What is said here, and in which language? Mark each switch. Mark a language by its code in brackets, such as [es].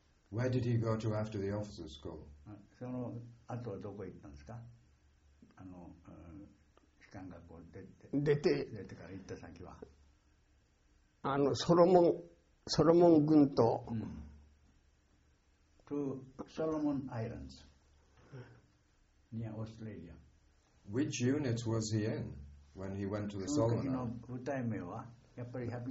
[en] Where did he go to after the officer school? [ja] その後はどこ行ったんですか？あの、士官学校出てから行った先は。あの、ソロモン群島、 [en] to Solomon Islands near Australia. Which unit was he in when he went to the Solomon? [ja] その部隊名はやっぱり